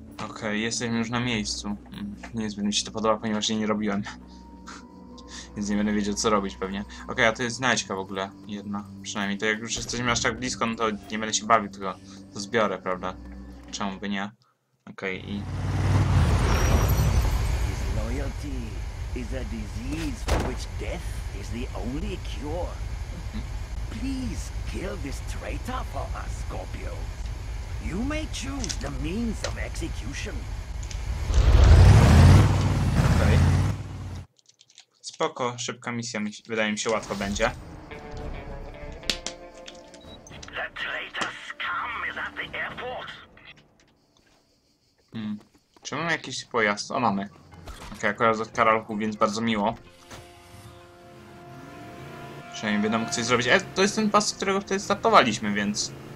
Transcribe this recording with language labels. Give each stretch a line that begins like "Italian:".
Polish: Okej, jestem już na miejscu. Nie wiem, czy mi się to podoba, ponieważ jej nie robiłem. Więc nie będę wiedział, co robić pewnie. Okej, a to jest znajdźka w ogóle jedna. Przynajmniej to jak już jesteśmy aż tak blisko, no to nie będę się bawił, tylko to zbiorę, prawda? Czemu by nie? Okej, i...
English: Insanity is a disease for which death is the only cure. Please kill this traitor for us, Scorpio. You may choose the means of execution. Okay.
Polish: Spoko, szybka misja, wydaje mi się, łatwo będzie.
English: The traitor scum is at the airport.
Polish: Czy mamy jakiś pojazd? O, mamy. Okej, okay, akurat od Karolku, więc bardzo miło. Przynajmniej będę mógł coś zrobić. To jest ten pas, którego wtedy startowaliśmy, więc...